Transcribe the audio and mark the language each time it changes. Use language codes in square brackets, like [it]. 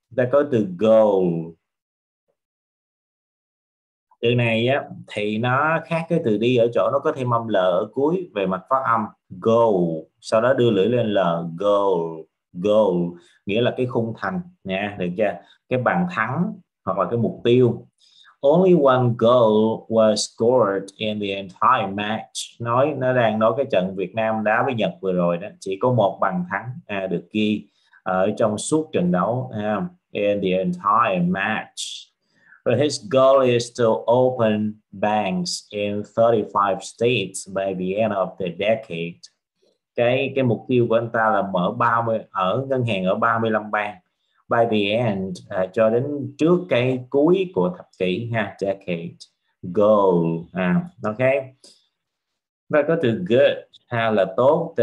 [vi] Ta có từ go, từ này á thì nó khác cái từ đi ở chỗ nó có thêm âm l ở cuối về mặt phát âm, go, sau đó đưa lưỡi lên l, go, goal nghĩa là cái khung thành nha, được chưa, cái bàn thắng hoặc là cái mục tiêu. [en] Only one goal was scored in the entire match. [vi] Nói nó đang nói cái trận Việt Nam đá với Nhật vừa rồi đó, chỉ có một bàn thắng được ghi ở trong suốt trận đấu in the entire match. [en] But his goal is to open banks in 35 states by the end of the decade. [vi] Cái mục tiêu của anh ta là mở 30 ở ngân hàng ở 35 bang by the end, cho đến trước cái cuối của thập kỷ ha, decade, goal. Ok, và có từ good ha là tốt.